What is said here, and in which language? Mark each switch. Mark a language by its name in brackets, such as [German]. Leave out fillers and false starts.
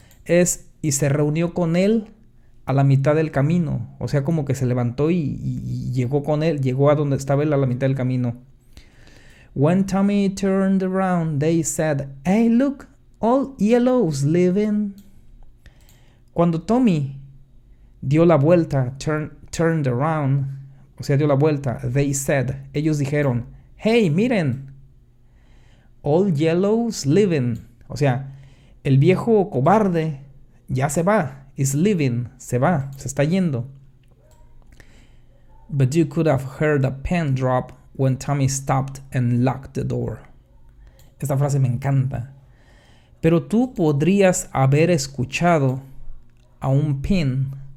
[Spanish] Es y se reunió con él a la mitad del camino. O sea, como que se levantó y llegó con él. Llegó a donde estaba él a la mitad del camino. [English] When Tommy turned around, they said, hey, look, all yellow's leaving. [Spanish] Cuando Tommy dio la vuelta, [English] turned around, [Spanish] o sea, dio la vuelta, [English] they said, [Spanish] ellos dijeron, hey, miren, [English] all yellow's leaving. [Spanish] O sea, el viejo cobarde ya se va, [English] is leaving, [Spanish] se va, se está yendo. [English] But you could have heard a pin drop when Tommy stopped and locked the door. [Spanish] Esta frase me encanta. Pero tú podrías haber escuchado a un pin.